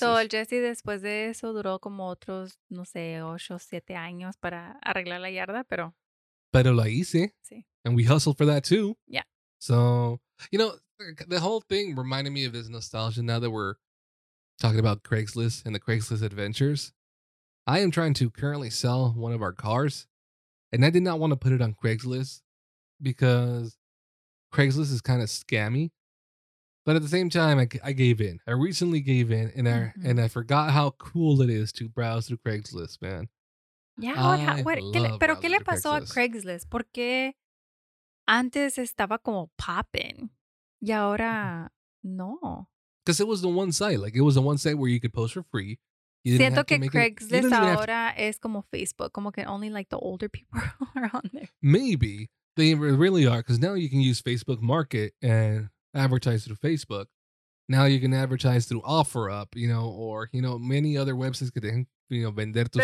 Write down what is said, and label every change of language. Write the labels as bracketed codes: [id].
[es] So, el Jesse después de eso duró como otros, no sé, 8 o 7 años para arreglar la yarda, pero... Pero la hice. Sí. [en] And we hustled for that too. Yeah. So, you know, the whole thing reminded me of this nostalgia now that we're talking about Craigslist and the Craigslist adventures. I am trying to currently sell one of our cars, and I did not want to put it on Craigslist because Craigslist is kind of scammy. But at the same time, I gave in. I recently gave in, and I forgot how cool it is to browse through Craigslist, man. [es] Yeah, pero ¿qué le pasó a Craigslist? Porque antes estaba como popping, y ahora no. [en] Because it was the one site. Like, it was the one site where you could post for free. [es] Siento que Craigslist ahora es como Facebook, como que [en] only like the older people are on there. Maybe. They really are, because now you can use Facebook Market and advertise through Facebook. Now you can advertise through OfferUp, you know, or, you know, many other websites [es] que dejan, [en] you know, [es] vender tus